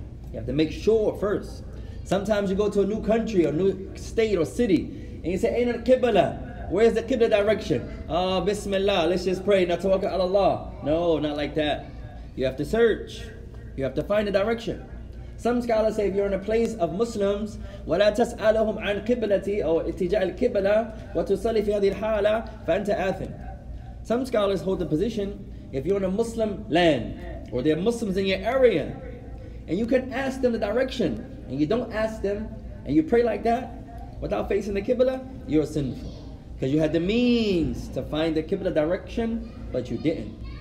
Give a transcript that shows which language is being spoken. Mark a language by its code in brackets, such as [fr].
[en] You have to make sure first. Sometimes you go to a new country or new state or city and you say, ain't it Qibla? Where's the Qibla direction? Bismillah, let's just pray. Now tawakkal ala Allah. No, not like that. You have to search. You have to find a direction. Some scholars say if you're in a place of Muslims, [ar] وَلَا تَسْأَلَهُمْ عَنْ قِبْلَتِي أَوْ إِتِجَاءِ الْقِبْلَةِ وَتُصَلِي فِي هَذِي الْحَالَ فَأَنْتَ آثِمٌ. [en] Some scholars hold the position, if you're in a Muslim land, or there are Muslims in your area, and you can ask them the direction, and you don't ask them, and you pray like that, without facing the Qibla, you're sinful. Because you had the means to find the Qibla direction, but you didn't.